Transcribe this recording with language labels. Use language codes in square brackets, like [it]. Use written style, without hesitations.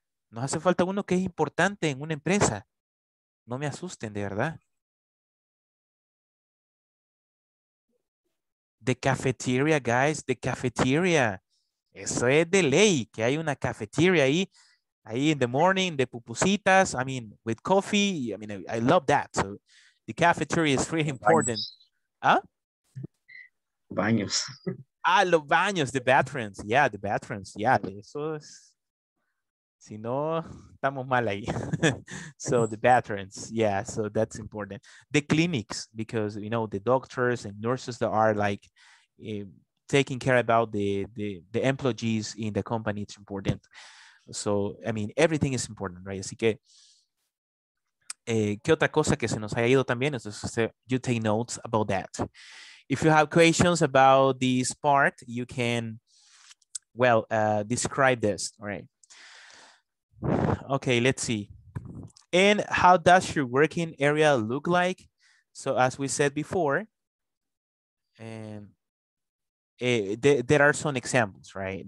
[es] Nos hace falta uno que es importante en una empresa. No me asusten, de verdad. [en] The cafeteria, guys. The cafeteria. [es] Eso es de ley, que hay una cafeteria ahí. [en] Ahí in the morning, the pupusitas, I mean, with coffee. I mean, I love that. So the cafeteria is really important. Baños. Huh? [es] Baños. Ah, los baños, [en] the bathrooms. Yeah, the bathrooms. Yeah, [es] eso es. Si no, estamos mal ahí. [en] So the bathrooms. Yeah, so that's important. The clinics, because, you know, the doctors and nurses that are like taking care about the employees in the company, it's important. So, I mean, everything is important, right? [es] Así que, ¿qué otra cosa que se nos haya ido también? [en] Entonces, you take notes about that. If you have questions about this part, you can, well, describe this, right? Okay, let's see. And how does your working area look like? So as we said before, there are some examples, right?